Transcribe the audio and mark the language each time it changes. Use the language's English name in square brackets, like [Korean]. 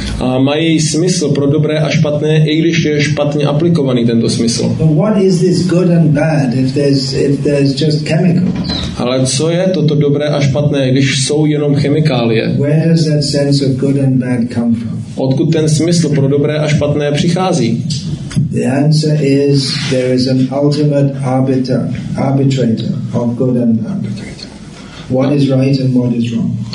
[Czech] A mají smysl pro dobré a špatné, i když je špatně aplikovaný tento smysl. [English] But what is this good and bad if there's just chemicals? [Czech] Ale co je toto dobré a špatné, když jsou jenom chemikálie? [English] Where does that sense of good and bad come from? [Czech] Odkud ten smysl pro dobré a špatné přichází? [English] The answer is there is an ultimate arbitrator of good and bad. What is right and what is wrong?